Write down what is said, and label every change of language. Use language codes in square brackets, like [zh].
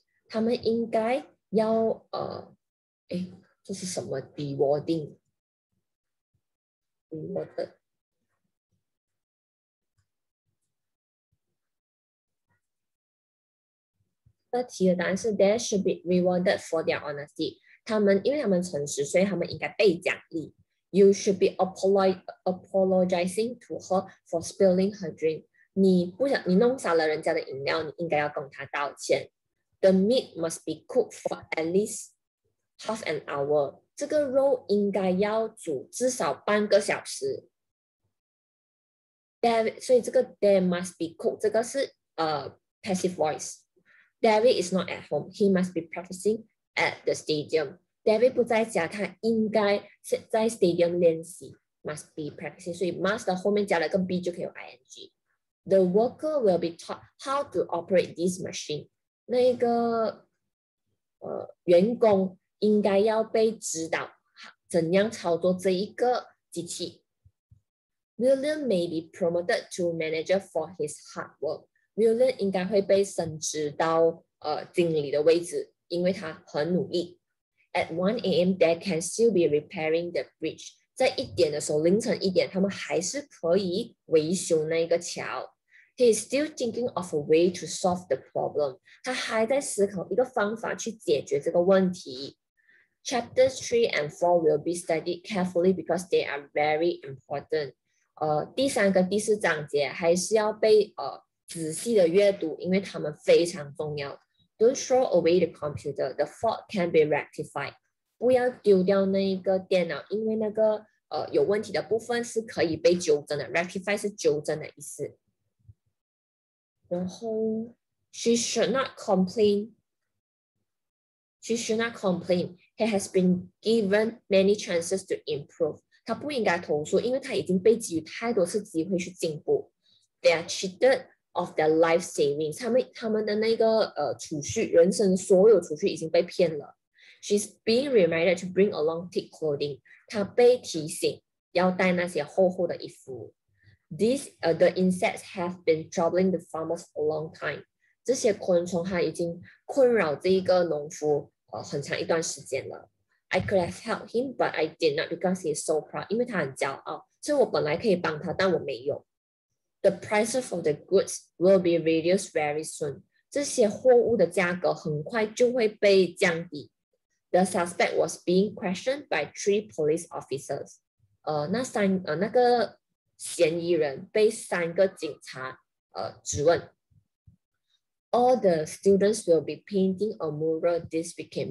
[zh] 他们应该要这是什么 [en] rewarding？ Rewarded。 [zh] 那题的答案是 [en] ，They should be rewarded for their honesty。 [zh] 他们因为他们诚实，所以他们应该被奖励。 [en] You should be apologizing to her for spilling her drink. [zh] 你弄洒了人家的饮料，你应该要跟她道歉。 [en] The meat must be cooked for at least half an hour. [zh] 这个肉应该要煮至少半个小时。所以这个 [en] they must be cooked [zh] 这个是 [en] passive voice. David is not at home. He must be practicing at the stadium. [zh] David 不在家，他应该是在 stadium 练习 ， [en] must be practicing， [zh] 所以 must 后面加了个 be 就可以有 ing。 [en] The worker will be taught how to operate this machine。 [zh] 那个员工应该要被指导怎样操作这一个机器。 [en] William may be promoted to manager for his hard work。 [zh] William 应该会被升职到经理的位置，因为他很努力。 [en] At 1 a.m. they can still be repairing the bridge. [zh] 在一点的时候，凌晨一点，他们还是可以维修那个桥。 [en] He is still thinking of a way to solve the problem. [zh] 他还在思考一个方法去解决这个问题。 [en] Chapters 3 and 4 will be studied carefully because they are very important. [zh] 第三个第四章节还是要被仔细的阅读，因为他们非常重要。 [en] Don't throw away the computer. The fault can be rectified. [zh] 不要丢掉那个电脑，因为那个有问题的部分是可以被纠正的。 Rectify 是纠正的意思。然后 ， [en] She should not complain. She should not complain. He has been given many chances to improve. [zh] 他不应该投诉，因为他已经被给予太多次机会去进步。 [en] They are cheated. Of their life savings, [zh] 他们的那个储蓄，人生所有储蓄已经被骗了。 [en] She's being reminded to bring along thick clothing. [zh] 她被提醒要带那些厚厚的衣服。 [en] The insects have been troubling the farmers a long time. [zh] 这些昆虫它已经困扰这一个农夫很长一段时间了。 [en] I could have helped him, but I did not because he's so proud. [zh] 因为他很骄傲，所以我本来可以帮他，但我没有。 [en] The prices of the goods will be reduced very soon. [zh] 这些货物的价格很快就会被降低。 [en] The suspect was being questioned by 3 police officers. [zh] 那个嫌疑人被三个警察质问。 [en] All the students will be painting a mural this weekend.